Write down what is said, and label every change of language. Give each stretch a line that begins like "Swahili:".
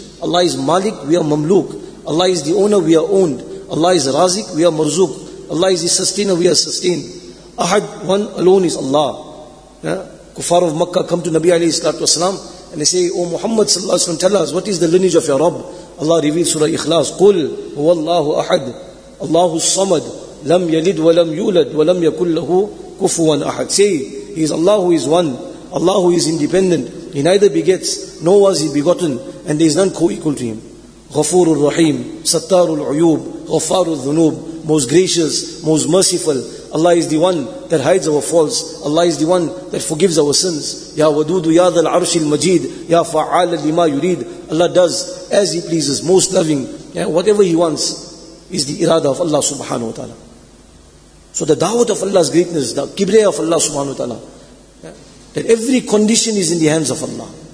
English: Allah is malik, we are mamluk. Allah is the owner, we are owned. Allah is razik, we are marzuk. Allah is the sustainer, we are sustained. Ahad, one alone is Allah. Kufar of Makkah come to Nabi alayhi salatu wasalam and they say, O Muhammad sallallahu alayhi wa sallam, tell us, what is the lineage of your Rabb? Allah reveals Surah Ikhlas,
Arabic: قُلْ هُوَ اللَّهُ أَحَدٌ اللَّهُ الصَّمَدُ لَمْ يَلِدْ وَلَمْ يُولَدْ وَلَمْ يَكُلْ لَهُ كُفُوًا أَحَدٌ.
English: Say, He is Allah who is one, Allah who is independent. He neither begets, nor was He begotten, and there is none co-equal to Him.
Arabic: غَفُورُ الرَّحِيمُ سَتَّارُ الْعُيُوبُ غَفَارُ الذُّنُوبُ
English: Most gracious, most merciful. Allah is the one that hides our faults. Allah is the one that forgives our sins.
Arabic: Ya Wadudu, Ya Dhal Arshil Majid, Ya Fa'al Lima Yurid.
English: Allah does as He pleases, most loving. Yeah, whatever He wants is the irada of Allah subhanahu wa ta'ala. So the da'wat of Allah's greatness, the kibriya of Allah subhanahu wa ta'ala, that every condition is in the hands of Allah.